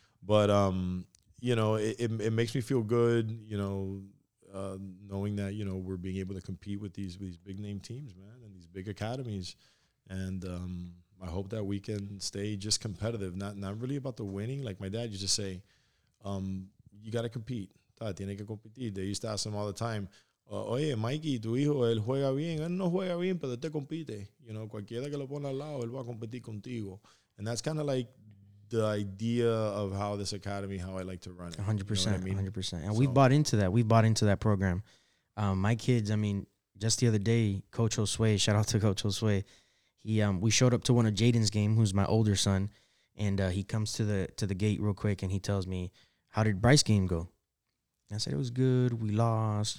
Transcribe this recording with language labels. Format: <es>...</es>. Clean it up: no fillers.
<en>But you know, it makes me feel good, you know, knowing that, you know, we're being able to compete with these big name teams, man, and these big academies. And I hope that we can stay just competitive, not really about the winning. Like my dad used to say, you got to compete.</en> <es>Tiene que competir.</es> <en>They used to ask him all the time,</en> <es>oye, Mikey, tu hijo, él juega bien. Él no juega bien, pero te compite.</es> <en>You know,</en> <es>cualquiera que lo ponga al lado, él va a competir contigo.</es> <en>And that's kind of like the idea of how this academy, how I like to run it. 100%. You know what I mean? 100%. And so we've bought into that. We've bought into that program. My kids, I mean, just the other day, Coach Josue, shout out to Coach Josue. We showed up to one of Jaden's game, who's my older son, and he comes to the gate real quick, and he tells me, how did Bryce game go? And I said, it was good. We lost.</en>